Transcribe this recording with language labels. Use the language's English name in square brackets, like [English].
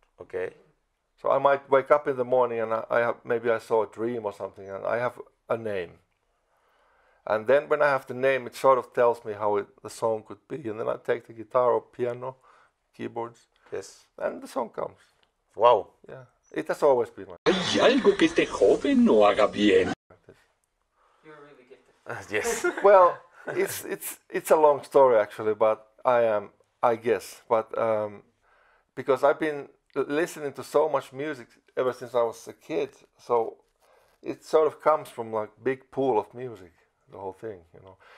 [English] Okay. So I might wake up in the morning and I saw a dream or something and I have a name. And then when I have the name, it sort of tells me how the song could be. And then I take the guitar or piano, keyboards. Yes. And the song comes. Wow. Yeah. It has always been like that. [Spanish] Hay algo que este joven no haga bien. [English] Yes. Well, it's a long story actually, but I guess. But because I've been listening to so much music ever since I was a kid, so it sort of comes from like big pool of music, the whole thing, you know.